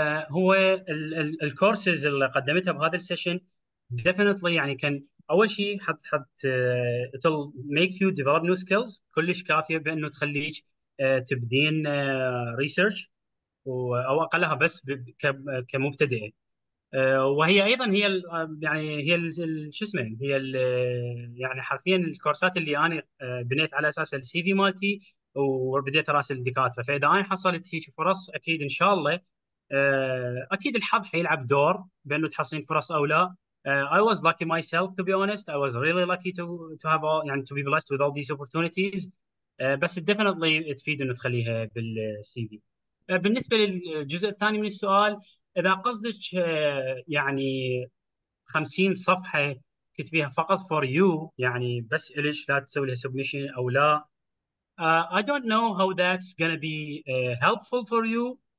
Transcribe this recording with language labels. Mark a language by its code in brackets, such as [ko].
[ar] هو الكورسز اللي قدمتها بهذا السيشن ديفينتلي يعني كان اول شيء حط [en] it'll make you develop new skills [ar] كلش كافيه بانه تخليك تبدين ريسيرش او اقلها بس كمبتدئه وهي ايضا هي يعني هي شو اسمه هي يعني حرفيا الكورسات اللي انا بنيت على اساس السي في مالتي وبديت اراسل الدكاتره فاذا انا حصلت هيك فرص اكيد ان شاء الله اكيد الحظ حيلعب دور بانه تحصلين فرص او لا. [en] I was lucky myself to be honest. I was really lucky to have all يعني to be blessed with all these opportunities. [ar] بس definitely تفيد انه تخليها بالسي في. بالنسبه للجزء الثاني من السؤال اذا قصدك يعني 50 صفحه تكتبيها فقط [en] for you [ar] يعني بس الش لا تسوي لها سبمشن او لا [en] I don't know how that's going to be helpful for you.